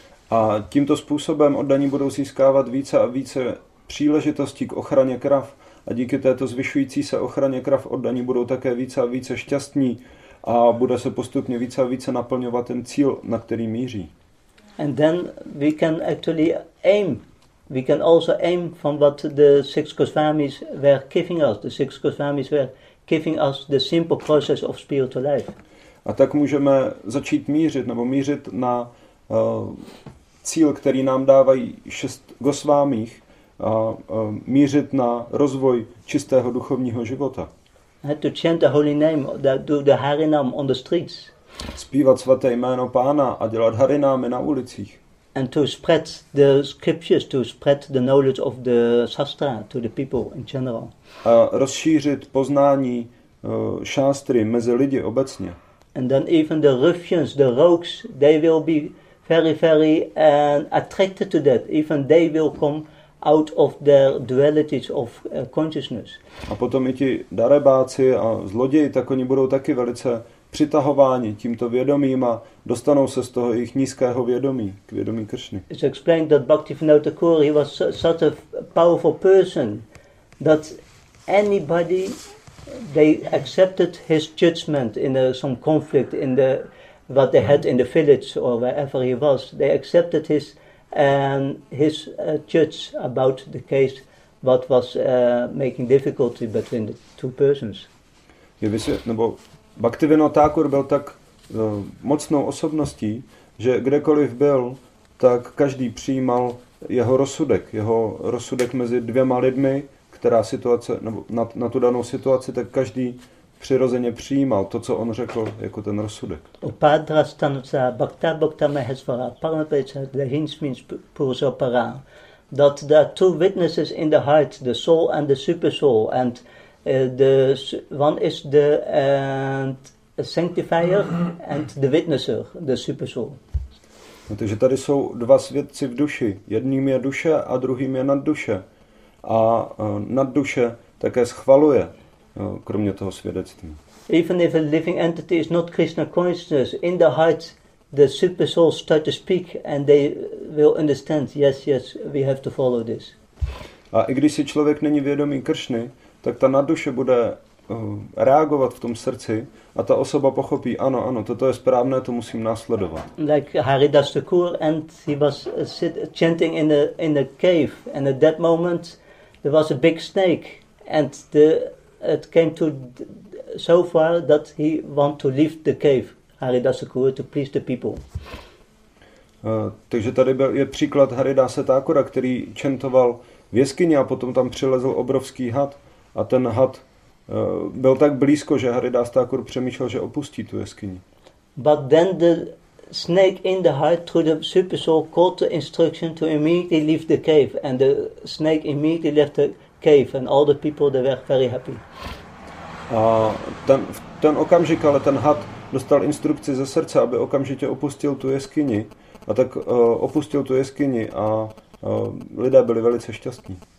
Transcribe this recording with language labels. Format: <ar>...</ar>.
<cs>A tímto způsobem oddaní budou získávat více a více příležitostí k ochraně krav. A díky této zvyšující se ochraně krav oddaní budou také více a více šťastní a bude se postupně více a více naplňovat ten cíl, na který míří.</cs> <en>And then we can actually aim. We can also aim from what the six Goswamis were giving us. The six Goswamis were giving us the simple process of spiritual life.</en> <cs>A tak můžeme začít mířit nebo mířit na cíl, který nám dávají šest Goswamích, a mířit na rozvoj čistého duchovního života.</cs> <en>To chant the holy name, do the harinam on the streets.</en> <cs>Zpívat svaté jméno Pána a dělat harinámy na ulicích.</cs> <en>And to spread the scriptures, to spread the knowledge of the sastra to the people in general.</en> <cs>A rozšířit poznání šástry mezi lidi obecně.</cs> <en>And then even the ruffians, the rogues, they will be very, very attracted to that. Even they will come out of their dualities of consciousness.</en> <cs>A potom i ti darebáci a zloději, tak oni budou taky velice přitahováni tímto vědomím a dostanou se z toho jejich nízkého vědomí k vědomí Kršny.</cs> <en>It's explained that Bhaktivinoda Kaur, he was such a powerful person that anybody, they accepted his judgment in some conflict in the what they had in the village or wherever he was. They accepted his judge about the case what was making difficulty between the two persons.</en> <cs>Bhaktivinoda Thakur byl tak mocnou osobností, že kdekoliv byl, tak každý přijímal jeho rozsudek mezi dvěma lidmi, která situace, nebo na tu danou situaci, tak každý přirozeně přijímal to, co on řekl, jako ten rozsudek.</cs> <sa>Upadra stanuca bhakta bhakta mahesvara parmapecha dehinsmins purusopara.</sa> <en>That there are two witnesses in the heart, the soul and the super soul. And the one is the sanctifier and the witnesser, the super soul.</en> <cs>No, takže tady jsou dva svědci v duši. Jedním je duše a druhým je nadduše. A nadduše také schvaluje, kromě toho svědectví.</cs> <en>Even if a living entity is not Krishna consciousness, in the heart the super soul start to speak and they will understand, yes, yes, we have to follow this.</en> <cs>A i když si člověk není vědomý Kršny, tak ta nadduše bude reagovat v tom srdci a ta osoba pochopí, ano, ano, toto je správné, to musím následovat.</cs> <en>Like Haridas Thakur, and he was chanting in a cave, and at that moment there was a big snake, and it came to so far that he want to leave the cave, Haridas Thakur, to please the people.</en> <cs>Takže tady je příklad Haridasa Thakura, který chantoval v jeskyni a potom tam přilezl obrovský had a ten had byl tak blízko, že Haridas Thakur přemýšlel, že opustí tu jeskyni.</cs> <en>But then the snake in the heart through the super soul caught the instruction to immediately leave the cave, and the snake immediately left the cave, and all the people, they were very happy.</en> <cs>A ten okamžik, ale ten had dostal instrukci ze srdce, aby okamžitě opustil tu jeskyni, a tak opustil tu jeskyni a lidé byli velice šťastní.</cs>